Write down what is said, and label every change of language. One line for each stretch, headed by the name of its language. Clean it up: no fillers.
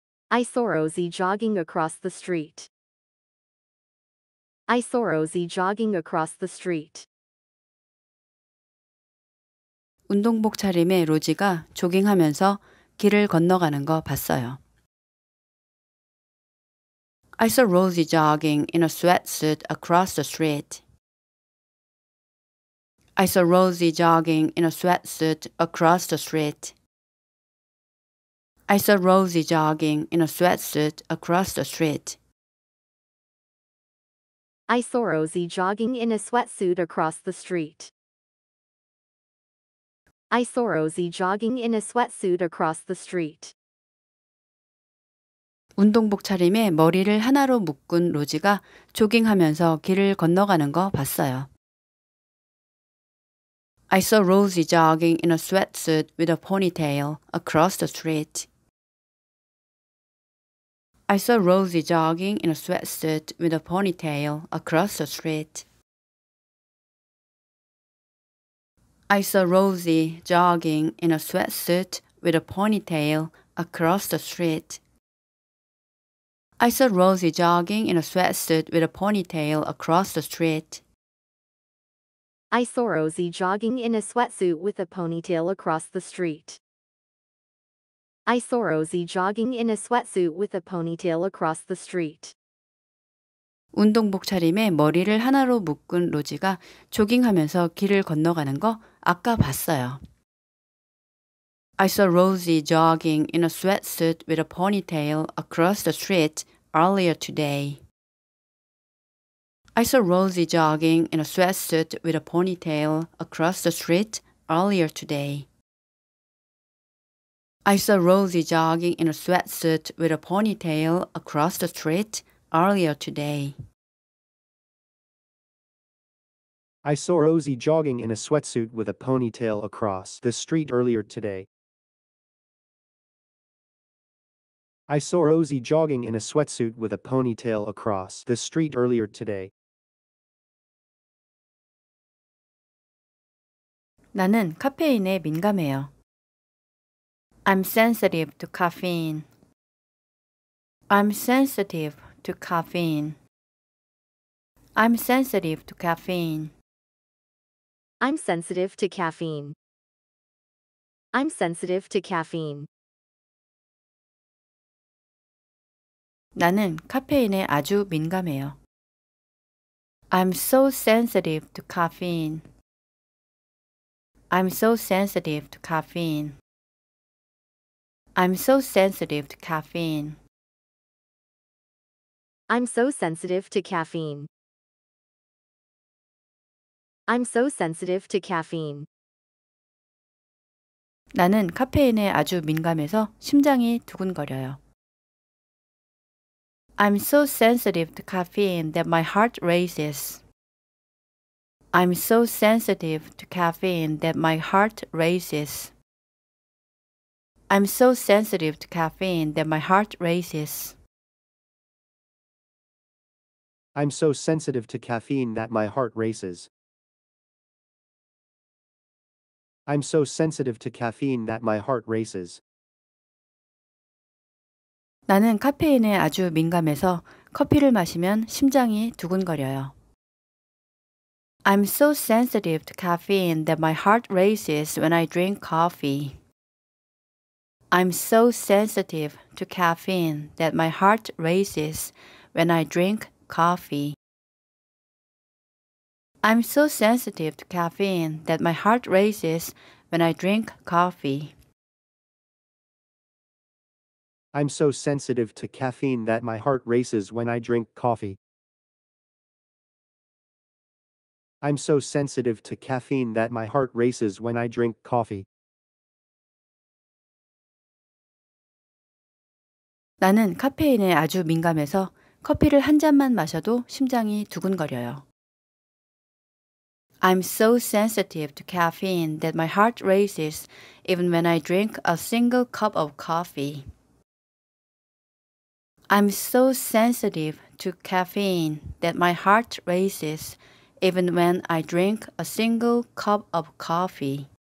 English: I saw Rosy jogging across the street. I saw Rosy jogging across the street.
Korean: 운동복 차림에 로지가 조깅하면서 길을 건너가는 거 봤어요.
English: I saw Rosy jogging in a sweatsuit across the street. I saw Rosy jogging in a sweatsuit across the street. I saw Rosy jogging in a sweatsuit across the street. I saw Rosy jogging in a sweatsuit across the street. I saw Rosy jogging in a sweatsuit across the street.
Korean: 운동복 차림에 머리를 하나로 묶은 로지가 조깅하면서 길을 건너가는 거 봤어요.
English: I saw Rosy jogging in a sweatsuit with a ponytail across the street. I saw Rosy jogging in a sweatsuit with a ponytail across the street. I saw Rosy jogging in a sweatsuit with a ponytail across the street. I saw Rosy jogging in a sweatsuit with a ponytail across the street. I saw Rosy jogging in a sweatsuit with a ponytail across the street. I saw Rosy jogging in a sweatsuit with a ponytail across the street.
Korean: 운동복 차림에 머리를 하나로 묶은 로지가 조깅하면서 길을 건너가는 거 아까 봤어요.
English: I saw Rosy jogging in a sweatsuit with a ponytail across the street earlier today. I saw Rosy jogging in a sweatsuit with a ponytail across the street earlier today. I saw Rosy jogging in a sweatsuit with a ponytail across the street earlier today. I saw Rosy jogging in a sweatsuit with a ponytail across the street earlier today. I saw Rosy jogging in a sweatsuit with a ponytail across the street earlier today.
Korean: 나는 카페인에 민감해요.
English: I'm sensitive to caffeine. I'm sensitive to caffeine. I'm sensitive to caffeine. I'm sensitive to caffeine. I'm sensitive to caffeine.
Korean: 나는 카페인에 아주 민감해요.
English: I'm so sensitive to caffeine. I'm so sensitive to caffeine. I'm so sensitive to caffeine. I'm so sensitive to caffeine. I'm so sensitive to caffeine.
Korean: 나는 카페인에 아주 민감해서 심장이 두근거려요.
English: I'm so sensitive to caffeine that my heart races. I'm so sensitive to caffeine that my heart races. I'm so sensitive to caffeine that my heart races. I'm so sensitive to caffeine that my heart races. I'm so sensitive to caffeine that my heart races.
Korean: 나는 카페인에 아주 민감해서 커피를 마시면 심장이 두근거려요.
English: I'm so sensitive to caffeine that my heart races when I drink coffee. I'm so sensitive to caffeine that my heart races when I drink coffee. I'm so sensitive to caffeine that my heart races when I drink coffee. I'm so sensitive to caffeine that my heart races when I drink coffee. I'm so sensitive to caffeine that my heart races when I drink coffee.
Korean: 나는 카페인에 아주 민감해서 커피를 한 잔만 마셔도 심장이 두근거려요.
English: I'm so sensitive to caffeine that my heart races even when I drink a single cup of coffee. I'm so sensitive to caffeine that my heart races even when I drink a single cup of coffee.